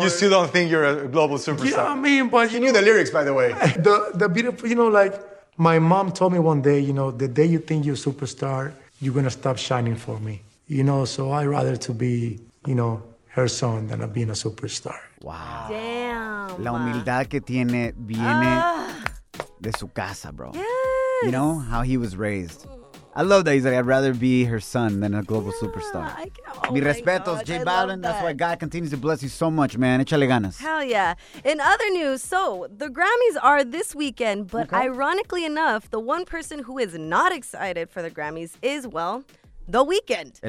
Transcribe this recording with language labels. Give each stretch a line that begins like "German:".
English: You still don't think you're a global superstar? Yeah, I mean, but... He knew the lyrics, by the way. The beautiful, you know, like, my mom told me one day, you know, the day you think you're a superstar, you're going to stop shining for me. You know, so I'd rather to be, you know, her son than being a superstar. Wow. Damn.
Spanish: La humildad que tiene viene de su casa, bro.
English: Yes. You know, how he was raised. I love that. He's like, I'd rather be her son than a global superstar.
Spanish: Mi respetos,
English: God, J Balvin. That's why God continues to bless you so much, man.
Spanish: Échale ganas.
English: Hell yeah. In other news, so the Grammys are this weekend, but okay. Ironically enough, the one person who is not excited for the Grammys is, well, The Weeknd.